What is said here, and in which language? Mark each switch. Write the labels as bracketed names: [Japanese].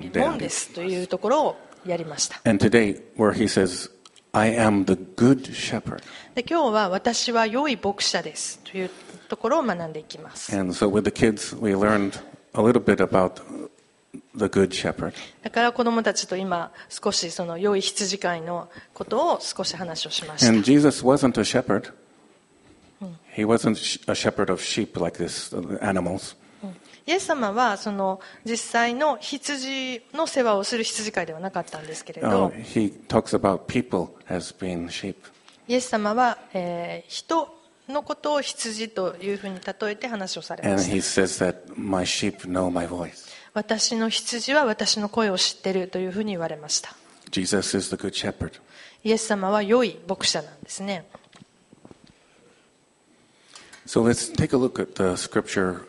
[Japanese] ですというところをやりました。 [English] And today, where he says. I am the good shepherd. [Japanese] で今日は私は良い牧者ですというところを学んでいきます。 [English] And so with the kids, we learned a little bit about the good shepherd. [Japanese] だから子どもたちと今少しその良い羊飼いのことを少し話をしました。 [English] And Jesus wasn't a shepherd. He wasn't a shepherd of sheep like this animals. [Japanese] イエス様はその実際の羊の世話をする羊飼いではなかったんですけれど、 [English] He talks about people as being sheep. [Japanese] イエス様は、人のことを羊というふうに例えて話をされました。 [English] And he says that my sheep know my voice. [Japanese] 私の羊は私の声を知っているというふうに言われました。 [English] Jesus is the good shepherd. [Japanese] イエス様は良い牧者なんですね。 [English] So let's take a look at the scripture,